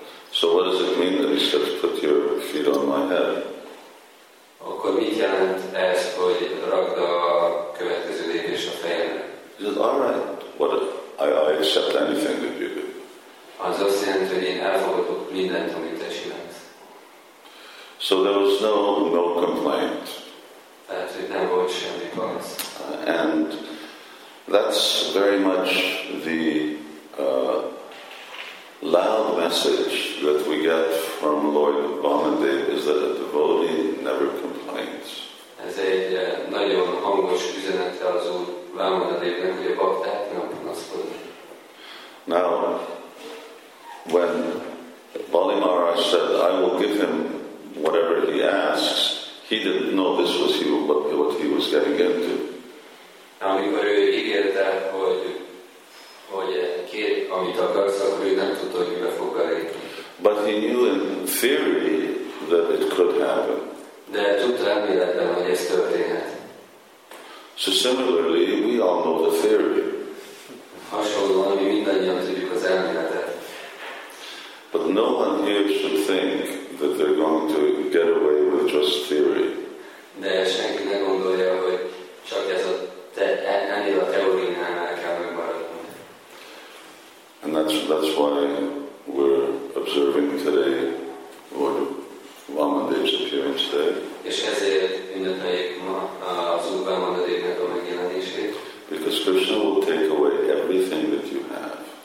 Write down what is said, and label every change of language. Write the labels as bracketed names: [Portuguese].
[English] So what does it mean that he says, put your feet on my head? [Hungarian] Akkor mit jelent ez, hogy rakd a következő lépés a fejemre? [English] He says, all right, what if I accept anything that you do. [Hungarian] Az azt jelent, hogy én elfogadok mindent, amit te csinálsz. [English] So there was no complaint. [Hungarian] Tehát, hogy nem volt semmi panasz. [English] And that's very much the loud message that we get from Lord Vamadeva is that a devotee never complains. [Hungarian] Ez egy nagyon hangos üzenete az Úr Vamadevnek, hogy a bakták nem panaszkodnak. [English] Now, when Bali Maharaj said, I will give him whatever he asks, he didn't know this was what he was getting into. [Hungarian] Amikor ő ígérte, hogy kér, amit akarsz, akkor ő nem tudta, hogy mibe fog elérni. [English] But he knew in theory that it could happen. [Hungarian] De tudta elméletben, hogy ez történhet. [English] So similarly, we all know the theory. [Hungarian] Hasonlóan, mi mindannyian tudjuk az elméletet. [English] But no one here should think that they're going to get away with just theory. [Hungarian] De senki ne gondolja, hogy csak ez a ennél a teóriánál kell megmaradni. [English] And that's why we're observing today Lord Vamadeva's appearance day. [Hungarian] És ezért ünnepeljük ma az Úr Vamadevnek a megjelenését. [English] Because Krishna will take away everything that you have.